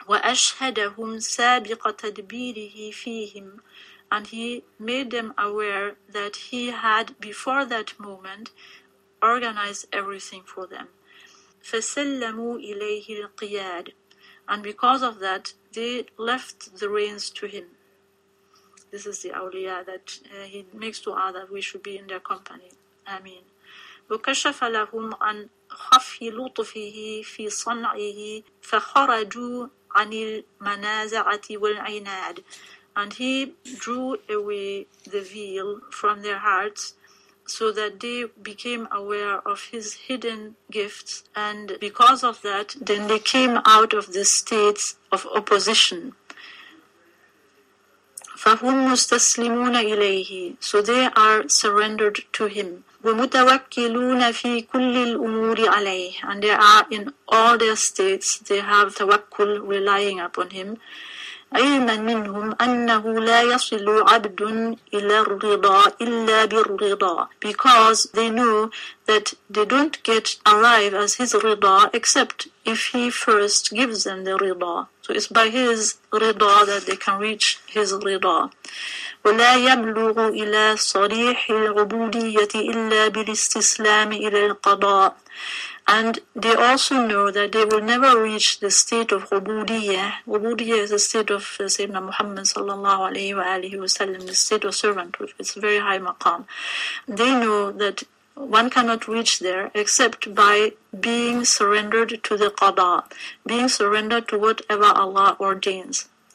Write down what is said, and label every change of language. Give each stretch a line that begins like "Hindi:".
Arabic: وَأَشْهَدَهُمْ سَابِقَ تَدْبِيرِهِ فِيهِمْ,
English: and he made them aware that he had before that moment organized everything for them.
Arabic: فَسَلَّمُوا إِلَيْهِ الْقِيَادِ,
English: and because of that they left the reins to him. This is the awliya that he makes dua that we should be in their company. Ameen.
Arabic: وكشف لهم عن خفي لطفه في صنعه فخرجوا عن المنازعة والعناد.
English: And he drew away the veil from their hearts so that they became aware of his hidden gifts. And because of that, then they came out of the states of opposition.
Arabic: فهم مستسلمون إليه.
English: So they are surrendered to him.
Arabic: ومتوكلون في كل الأمور عليه.
English: And they are in all their states. They have توكل, relying upon him.
Arabic: علما منهم أنه لا يصل عبد إلى الرضا إلا بالرضا.
English: Because they know that they don't get alive as his رضا except if he first gives them the رضا. So it's by his رضا that they can reach his رضا.
Arabic: ولا يبلغ إلى صريح العبودية إلا بالاستسلام إلى القضاء.
English: And they also know that they will never reach the state of ubudiyyah. Ubudiyyah is the state of Sayyidina Muhammad sallallahu alayhi wa alihi wa sallam, the state of servant, which is very high maqam. They know that one cannot reach there except by being surrendered to the qada, being surrendered to whatever Allah ordains.